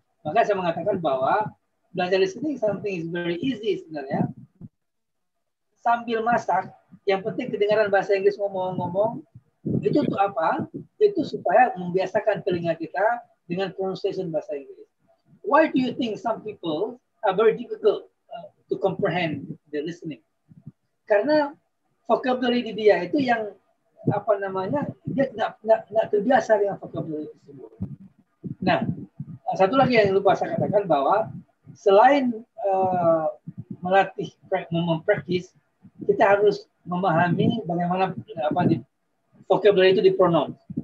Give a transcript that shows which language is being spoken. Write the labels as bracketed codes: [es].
[id] Maka saya mengatakan bahwa belajar listening [en] something is very easy [id] sebenarnya. Sambil masak, yang penting kedengaran bahasa Inggris ngomong-ngomong. Itu untuk apa? Itu supaya membiasakan telinga kita dengan pronunciation bahasa Inggris. [en] Why do you think some people are very difficult to comprehend the listening? [id] Karena vocabulary di dia itu yang apa namanya, dia tidak terbiasa dengan vocabulary tersebut. Nah, satu lagi yang lupa saya katakan bahwa selain melatih mempraktis, kita harus memahami bagaimana apa di vocabulary itu dipronounce.